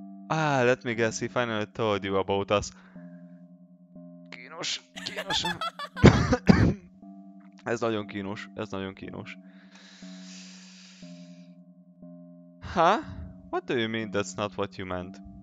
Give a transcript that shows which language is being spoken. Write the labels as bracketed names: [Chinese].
[English] Ah, let me guess, he finally told you about us. [Hungarian] Kínos, kínos. Ez nagyon kínos, ez nagyon kínos. Huh? [English] What do you mean that's not what you meant?